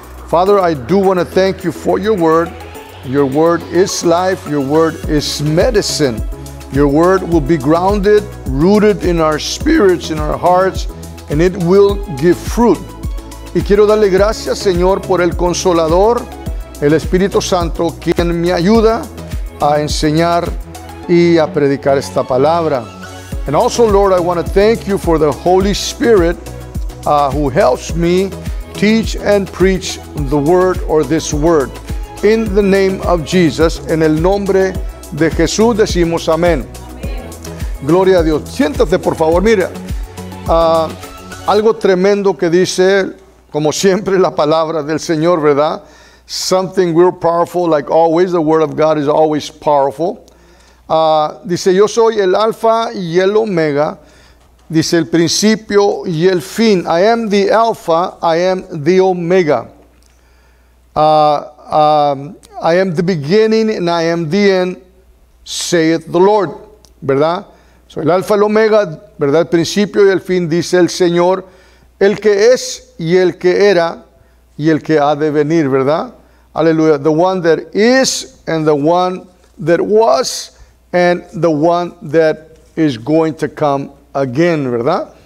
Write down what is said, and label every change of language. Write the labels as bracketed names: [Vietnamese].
[English] Father, I do want to thank you for your word. Your word is life, your word is medicine. Your word will be grounded, rooted in our spirits, in our hearts, and it will give fruit. [Spanish] Y quiero darle gracias, Señor, por el Consolador, el Espíritu Santo, quien me ayuda a enseñar y a predicar esta palabra. [English] And also, Lord, I want to thank you for the Holy Spirit who helps me teach and preach the word or this word. In the name of Jesus, [Spanish] en el nombre de Jesús decimos amén. Gloria a Dios. Siéntate, por favor. Mira, algo tremendo que dice, como siempre, la palabra del Señor, ¿verdad? [English] Something real powerful, like always, the word of God is always powerful. [Spanish] Dice, yo soy el Alfa y el Omega. Dice, el principio y el fin. [English] I am the Alpha, I am the Omega. I am the beginning and I am the end, saith the Lord. [Spanish] ¿Verdad? Soy el Alfa y el Omega, ¿verdad? El principio y el fin, dice el Señor. El que es y el que era y el que ha de venir, ¿verdad? Aleluya. [English] The one that is and the one that was and the one that is going to come again, [Spanish] ¿verdad?